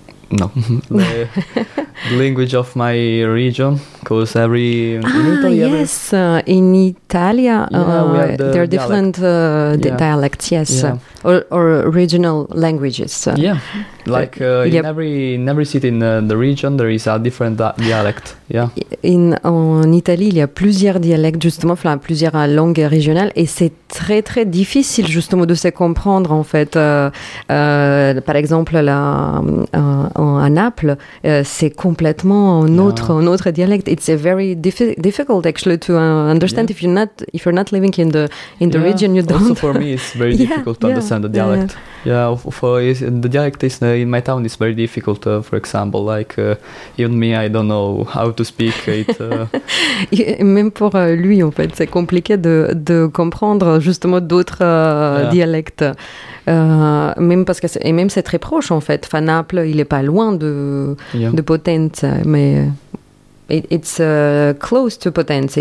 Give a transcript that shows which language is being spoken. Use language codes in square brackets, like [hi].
[en] No, the language of my region, because every in Italy, yes, in Italia, there are different dialects, yes, yeah. or regional languages. Yeah, like yep. in every city in the region, there is a different dialect. Yeah, in Italy, [fr] il y a plusieurs dialectes justement, enfin plusieurs langues régionales, et c'est très très difficile justement de se comprendre en fait. Par exemple, là. À Naples, c'est complètement un autre dialecte. [en] It's a very difficult actually to understand yeah. if you're not living in the yeah. region. You don't. Also for me, it's very difficult to understand the dialect. The dialect is in my town is very difficult. For example, like even me, I don't know how to speak it. [fr] Même pour lui, en fait, c'est compliqué de comprendre justement d'autres dialectes. Même c'est très proche en fait. Enfin, Naples, il est pas loin de Potenza, mais [en] it's close to Potenza.